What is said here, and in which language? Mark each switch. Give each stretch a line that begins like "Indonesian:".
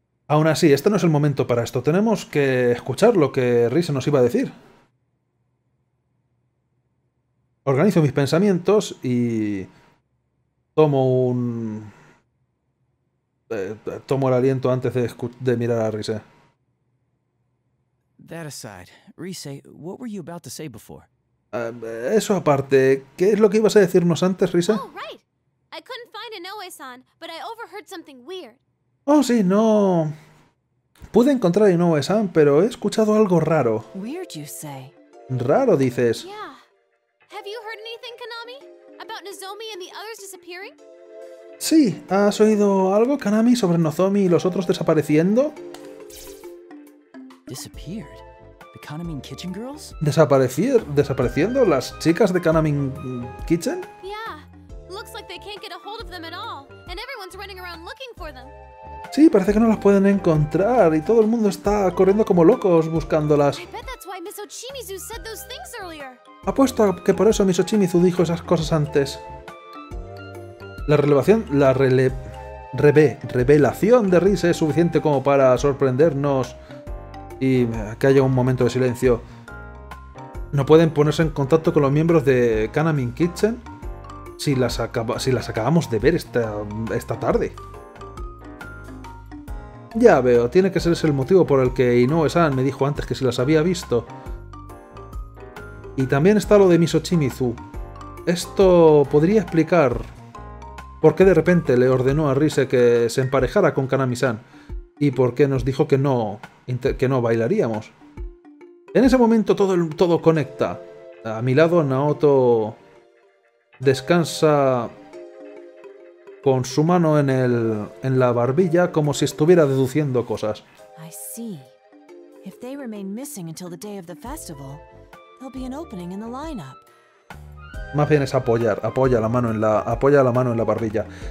Spanish: Aún así, este no es el momento para esto. Tenemos que escuchar lo que Risa nos iba a decir. Organizo mis pensamientos y tomo un... tomo el aliento antes de mirar a Risa.
English: That aside, Risa, what were you about to say before?
Spanish: Eso aparte, ¿qué es lo que ibas a decirnos antes, Risa?
English: Oh, right. I couldn't find Inoue-san, but I overheard something weird.
Spanish: Oh, sí, no. Pude encontrar a Inoue-san, pero he escuchado algo raro.
English: Weird, you say.
Spanish: Raro, dices.
English: Yeah. Have you heard anything, Kanami? About Nozomi and the others disappearing?
Spanish: Sí, ¿has oído algo, Kanami, sobre Nozomi y los otros desapareciendo?
English: Disappeared. The Kanamin Kitchen Girls?
Spanish: ¿Desapareciendo las chicas de Kanamin Kitchen?
English: Yeah. Looks like they can't get a hold of them at all, and everyone's running around looking for them.
Spanish: Sí, parece que no las pueden encontrar y todo el mundo está corriendo como locos buscándolas.
English: I bet that's why Miss Ochimizu said those things earlier.
Spanish: Apuesto a que por eso Miss Ochimizu dijo esas cosas antes. La revelación de Riz es suficiente como para sorprendernos y que haya un momento de silencio. ¿No pueden ponerse en contacto con los miembros de Kanamin Kitchen si las acabamos de ver esta tarde? Ya veo, tiene que ser ese el motivo por el que Inoue-san me dijo antes que si las había visto. Y también está lo de Miss Ochimizu. Esto podría explicar por qué de repente le ordenó a Rise que se emparejara con Kanami-san y por qué nos dijo que no bailaríamos. En ese momento todo conecta. A mi lado Naoto descansa con su mano en la barbilla como si estuviera deduciendo cosas.
English: I see. If they remain missing until the day of the festival, there'll be an opening in the lineup.
Spanish: Más bien es apoya la mano en la barbilla.